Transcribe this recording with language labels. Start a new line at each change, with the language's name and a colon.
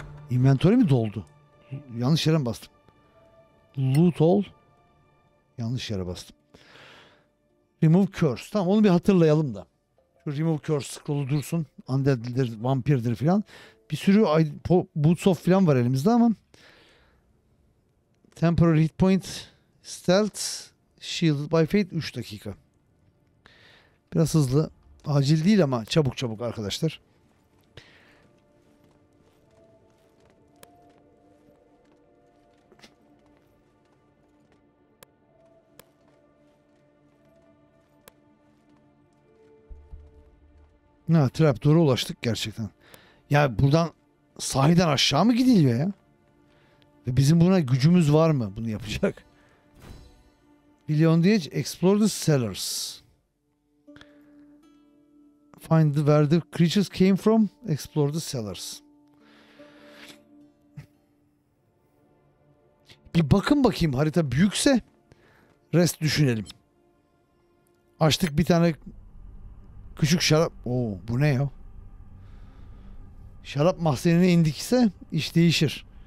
Turkish: İnventörü mi doldu? Yanlış yere mi bastım? Loot all. Yanlış yere bastım. Remove curse. Tamam onu bir hatırlayalım da. Şu remove curse scroll'u dursun. Undead'dir, vampirdir falan. Bir sürü boots off falan var elimizde ama.
English: Temporary hit point, stealth, shielded by fate
Turkish: 3 dakika. Biraz hızlı. Acil değil ama çabuk çabuk arkadaşlar. Ha, trapdoor'a ulaştık gerçekten. Ya buradan sahiden aşağı mı gidiliyor ya? Ve bizim buna gücümüz var mı bunu yapacak?
English: Billion diye explore the cellars. Find the where the creatures came from, explore the cellars.
Turkish: Bir bakın bakayım harita büyükse rest düşünelim. Açtık bir tane küçük şarap. Oo bu ne ya? Şarap mahzenine indikse iş değişir.